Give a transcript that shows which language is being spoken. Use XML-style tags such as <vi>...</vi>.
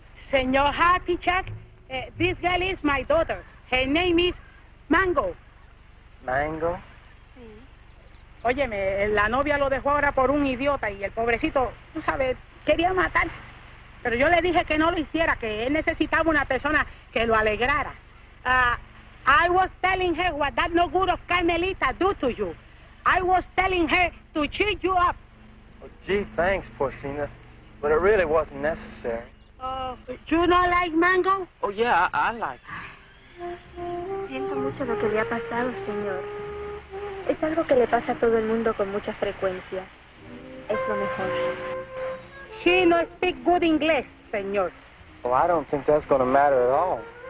<en>Senor Happy Jack, this girl is my daughter. Her name is Mango. Mango?</en> <es>Sí. Óyeme, la novia lo dejó ahora por un idiota y el pobrecito, tú sabes, quería matarse. Pero yo le dije que no lo hiciera, que él necesitaba una persona que lo alegrara.</es> <en>I was telling her what that no good of Carmelita do to you. I was telling her to cheat you up. Oh, gee, thanks, Porcina. But it really wasn't necessary. You not like Mango? Oh, yeah, I like it.</en> <es>Siento mucho lo que le ha pasado, señor. Es algo que le pasa a todo el mundo con mucha frecuencia. Es lo mejor.</es> <en>She no speak good English, señor. Well, I don't think that's going to matter at all.</en>